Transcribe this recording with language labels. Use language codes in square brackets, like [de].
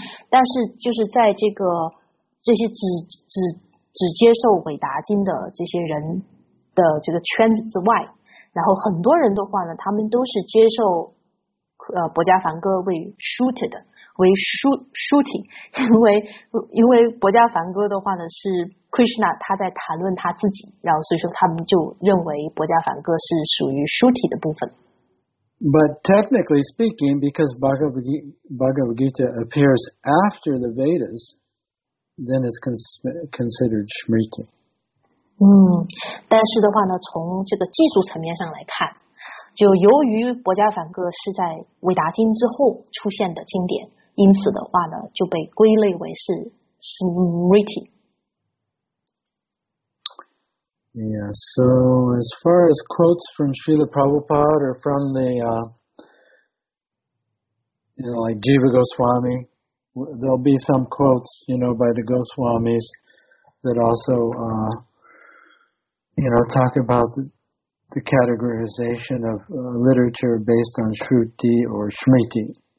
[zh] 但是就是在这个这些只接受韦达经的这些人的这个圈子之外，然后很多人的话呢，他们都是接受博迦梵歌为 Shruti 的，为 Shruti， 因为博迦梵歌的话呢是 Krishna 他在谈论他自己，然后所以说他们就认为博迦梵歌是属于 Shruti 的部分。 [en] But technically speaking, because Bhagavad Gita appears after the Vedas, then it's considered Smriti. [zh] 但是的话呢，从这个技术层面上来看，就由于博迦梵歌是在韦达经之后出现的经典，因此的话呢，就被归类为是 Smriti。 [en] Yeah, so as far as quotes from Srila Prabhupada or from the, like Jiva Goswami, there'll be some quotes, you know, by the Goswamis that also, talk about the categorization of literature based on Shruti or Smriti.